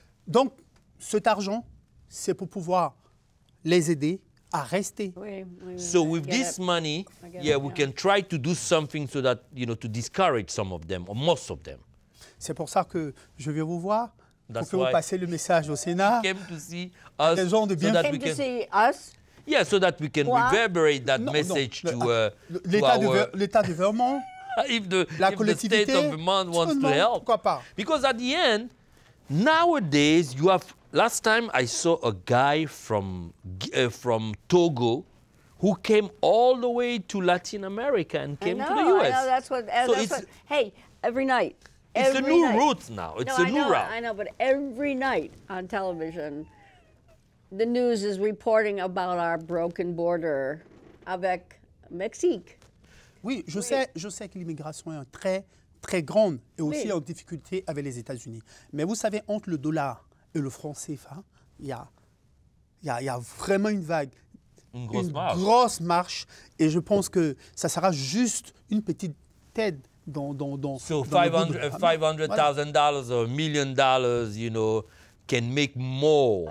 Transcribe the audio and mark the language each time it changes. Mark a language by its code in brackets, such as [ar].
[fr] Donc, cet argent, c'est pour pouvoir les aider à rester. Oui, oui, [en] so with this money, we can try to do something so that, you know, to discourage some of them, or most of them. [fr] C'est pour ça que je vais vous voir. Pour que vous passez le message au Sénat. [en] He came to see us. [fr] Des gens de bien. [en] He came to see us. Yeah, so that we can reverberate that message to our... [fr] L'état de Vermont. [en] If the, [fr] la collectivité, [en] if the state of Vermont wants to help. [fr] Pourquoi pas? [en] Because at the end, nowadays, you have... Last time I saw a guy from Togo who came all the way to Latin America and came to the U.S. I know, that's what... So that's what every night. It's a new route now. It's a new route. I know, but every night on television, the news is reporting about our broken border [fr] avec Mexique. Oui, je sais que l'immigration est très, très grande et aussi en difficulté avec les États-Unis. Mais vous savez, entre le dollar et le franc CFA, il y a vraiment une vague, une grosse marche. Et je pense que ça sera juste une petite tête. [en] So $500,000 or $1 million, you know, can make more.